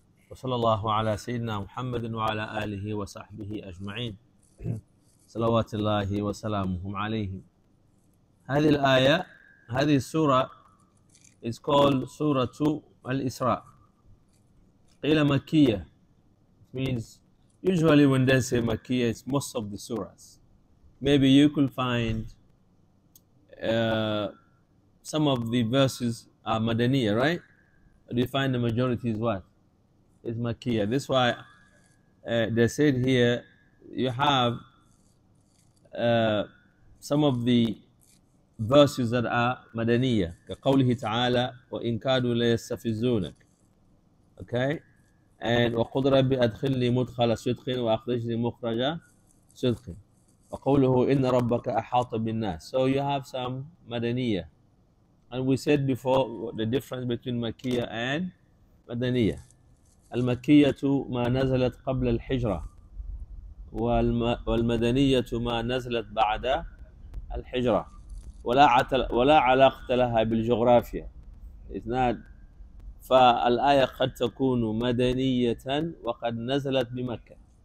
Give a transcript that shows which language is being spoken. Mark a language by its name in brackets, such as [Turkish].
[Arabic] وصلى الله على سيدنا محمد وعلى آله وصحبه أجمعين. صلوات الله وسلامهم عليهم. هذه الآية، هذه السورة [English] is called [Arabic] سورة الإسراء. قيل مكية. [English] It means usually when they say مكية it's most of the surahs. Maybe you could find some of the verses are Madaniya, right? Or do you find the majority is what? Is Makkiyah. That's why they said here you have some of the verses that are Madaniya. [Arabic] كَقَوْلِهِ تَعَالَى وَإِنْ كَادُوا لَيَسْتَفِزُّونَكَ. [English] Okay? [Arabic] And وَقُلْ رَبِّ أَدْخِلْنِي مُدْخَلَ صِدْقٍ وَأَخْرِجْنِي مُخْرَجَ صِدْقٍ. وقوله إن ربك أحاط بالناس. [English] So you have some مدنية. And we said before the difference between مكية and مدنية. [Arabic] المكية ما نزلت قبل الحجرة. والمدنية ما نزلت بعد الحجرة. ولا علاقة لها بالجغرافيا. [English] It's not. [Arabic] فالآية قد تكون مدنية وقد نزلت بمكة.